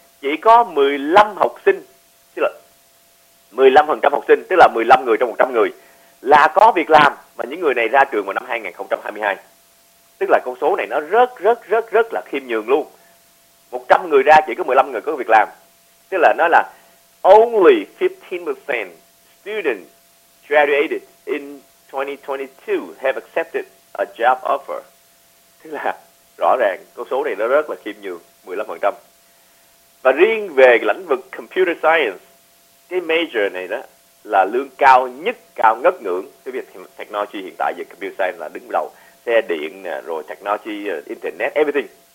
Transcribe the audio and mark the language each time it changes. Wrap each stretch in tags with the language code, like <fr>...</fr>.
<vi>chỉ có 15 học sinh, tức là 15% học sinh, tức là 15 người trong 100 người là có việc làm, và những người này ra trường vào năm 2022. Tức là con số này nó rất là khiêm nhường luôn. 100 người ra chỉ có 15 người có việc làm. Tức là nói là</vi> <en>only 15% students graduated in 2022 have accepted a job offer.</en> <vi>Tức là rõ ràng con số này nó rất là khiêm nhường, 15%. Và riêng về lĩnh vực computer science, cái major này đó là lương cao nhất, cao ngất ngưỡng. Cái việc technology hiện tại về computer science là đứng đầu, xe điện rồi technology, internet, everything.</vi>